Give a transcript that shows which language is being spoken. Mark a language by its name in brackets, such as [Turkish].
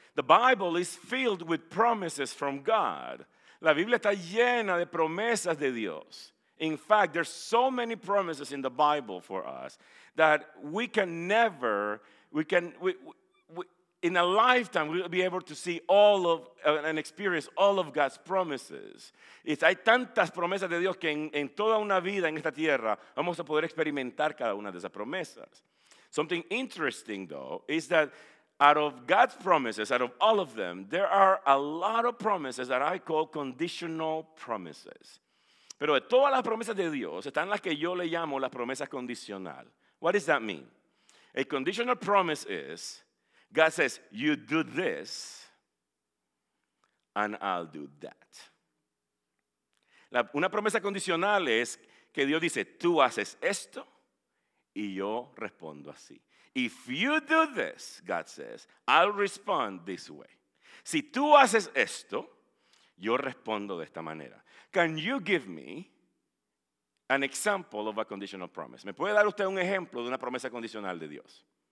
[English] The Bible is filled with promises from God. [Spanish] La Biblia está llena de promesas de Dios. [English] In fact, there's so many promises in the Bible for us that in a lifetime, we'll be able to see all of and experience all of God's promises. [Spanish] Y hay tantas promesas de Dios que en toda una vida en esta tierra vamos a poder experimentar cada una de esas promesas. [English] Something interesting, though, is that out of God's promises, out of all of them, there are a lot of promises that I call conditional promises. [Spanish] Pero de todas las promesas de Dios están las que yo le llamo las promesas condicional. [English] What does that mean? A conditional promise is God says, you do this, and I'll do that. [Spanish] Una promesa condicional es que Dios dice, tú haces esto, y yo respondo así. [English] If you do this, God says, I'll respond this way. [Spanish] Si tú haces esto, yo respondo de esta manera. [English] Can you give me an example of a conditional promise? [Spanish] ¿Me puede dar usted un ejemplo de una promesa condicional de Dios?